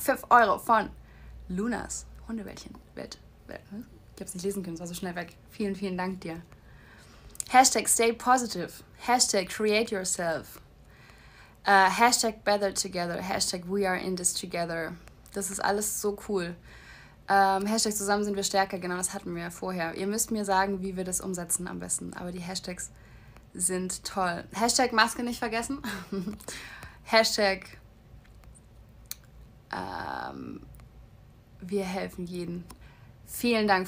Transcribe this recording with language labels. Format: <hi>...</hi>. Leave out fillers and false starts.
<de>5 Euro von Lunas Hundewäldchen. Ich hab's nicht lesen können, es war so schnell weg. Vielen, vielen Dank dir.</de> <en>Hashtag stay positive. Hashtag create yourself. Hashtag better together. Hashtag we are in this together.</en> <de>Das ist alles so cool. Hashtag zusammen sind wir stärker. Genau, das hatten wir ja vorher. Ihr müsst mir sagen, wie wir das umsetzen am besten. Aber die Hashtags sind toll. Hashtag Maske nicht vergessen. Hashtag wir helfen jeden. Vielen Dank.</de>